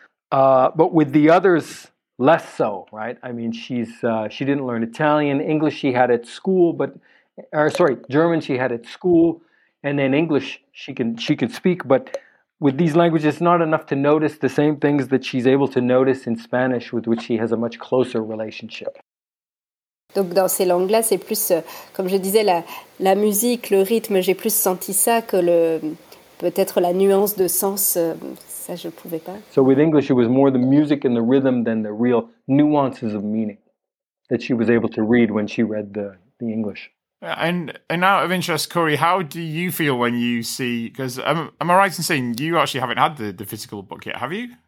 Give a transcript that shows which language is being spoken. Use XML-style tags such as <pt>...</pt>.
<en>But with the others, less so, right? I mean, she didn't learn Italian. English she had at school, German she had at school. And then English she could speak. But with these languages, it's not enough to notice the same things that she's able to notice in Spanish, with which she has a much closer relationship.</en> <fr>Donc dans ces langues-là, c'est plus, comme je disais, la musique, le rythme, j'ai plus senti ça que le... Peut-être la nuance de sens, ça je ne pouvais pas.</fr> <en>So with English, it was more the music and the rhythm than the real nuances of meaning that she was able to read when she read the English. And out of interest, Corey, how do you feel when you see, because am I right in saying you actually haven't had the physical book yet, have you?</en>